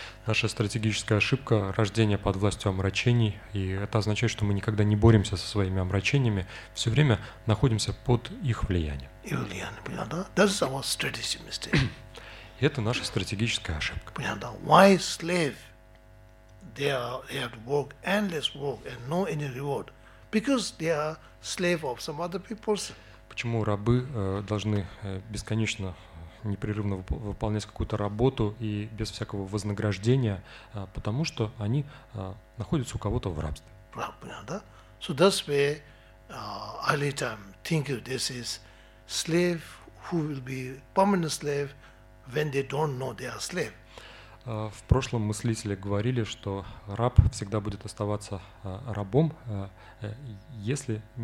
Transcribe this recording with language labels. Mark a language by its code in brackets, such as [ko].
[ru] Наша стратегическая ошибка – рождение под властью омрачений, и это означает, что мы никогда не боремся со своими омрачениями, все время находимся под их влиянием. Их влияние, понятно, да? [en] That's our strategic mistake. [ru] Это наша стратегическая ошибка. Понятно, да? [en] Why slave? They have to work endless work and no any reward, because they are slave of some other people's. [ru] Почему рабы должны бесконечно, непрерывно выполнять какую-то работу и без всякого вознаграждения? Потому что они находятся у кого-то в рабстве. Понятно, да? [en] So that's why early time think of this is slave who will be permanent slave when they don't know they are slave. [ru] В прошлом мыслители говорили, что раб всегда будет оставаться рабом, если